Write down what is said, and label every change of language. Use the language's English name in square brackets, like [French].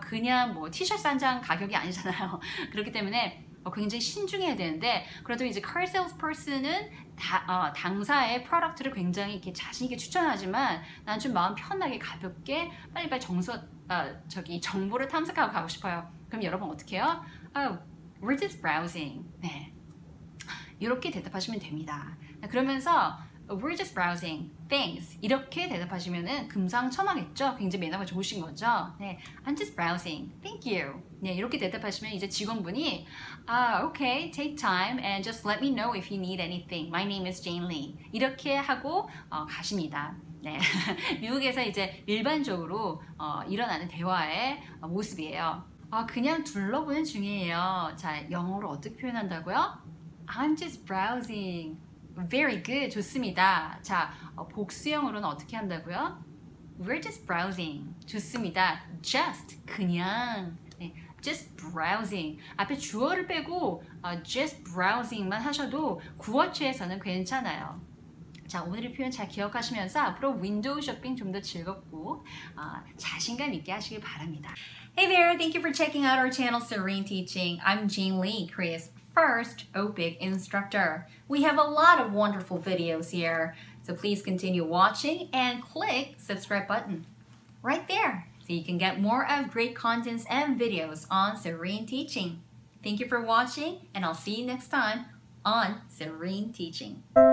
[Korean] 그냥 뭐 티셔츠 한 장 가격이 아니잖아요. 그렇기 때문에 굉장히 신중해야 되는데 그래도 이제 car salesperson은 당사의 프로덕트를 굉장히 이렇게 자신있게 추천하지만 난 좀 마음 편하게 가볍게 빨리빨리 정보를 탐색하고 가고 싶어요. 그럼 여러분 어떻게 해요? [English] We're just browsing. [Korean] 네. 이렇게 대답하시면 됩니다. 그러면서 [English] We're just browsing. Thanks. [Korean] 이렇게 대답하시면은 금상첨화겠죠? 굉장히 매너가 좋으신 거죠? 네. [English] I'm just browsing. Thank you. [Korean] 네, 이렇게 대답하시면 이제 직원분이 [English] okay. Take time and just let me know if you need anything. My name is Jane Lee. [Korean] 이렇게 하고 가십니다. 네. 미국에서 이제 일반적으로 일어나는 대화의 모습이에요. 그냥 둘러보는 중이에요. 자, 영어로 어떻게 표현한다고요? [English] I'm just browsing. Very good. [Korean] 좋습니다. 자, 복수형으로는 어떻게 한다고요? [English] We're just browsing. [Korean] 좋습니다. [English] Just. [Korean] 그냥. 네, [English] just browsing. [Korean] 앞에 주어를 빼고 [English] just browsing만 [Korean] 하셔도 구어체에서는 괜찮아요. 자, 오늘의 표현 잘 기억하시면서 앞으로 윈도우 쇼핑 좀 더 즐겁고 자신감 있게 하시길 바랍니다. [English] Hey there. Thank you for checking out our channel Serene Teaching. I'm Jane Lee, Korea's first OPIC instructor. We have a lot of wonderful videos here, so please continue watching and click subscribe button right there so you can get more of great contents and videos on Serene Teaching. Thank you for watching and I'll see you next time on Serene Teaching.